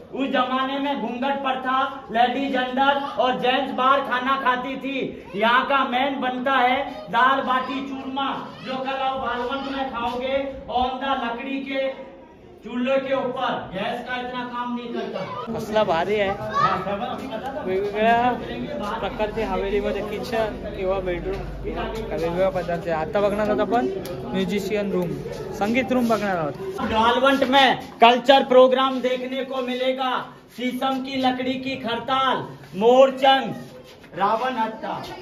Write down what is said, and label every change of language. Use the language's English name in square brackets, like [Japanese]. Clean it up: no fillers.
[Hindi] उस जमाने में घूंघट प्रथा, लेडीज अंदर और जेंट्स बाहर खाना खाती थी। यहाँ का मेन बनता है दाल बाटी चूरमा, जो कल आप बालवंत में खाओगे, और लकड़ी के चूल्हे के ऊपर, गैस का इतना काम नहीं करता, मसला भारी है। [Marathi] वेगवेगळ्या प्रकारचे हवेली मध्ये किचन किंवा बेडरूम, वेगवेगळ्या प्रकारचे। आता बघणार आहोत आपण म्युझिशियन रूम, संगीत रूम बघणार आहोत। [Hindi] गालवंट में कल्चर प्रोग्राम देखने को मिलेगा, शीशम की लकड़ी की खरताल, मोरचंद, रावण हट्टा।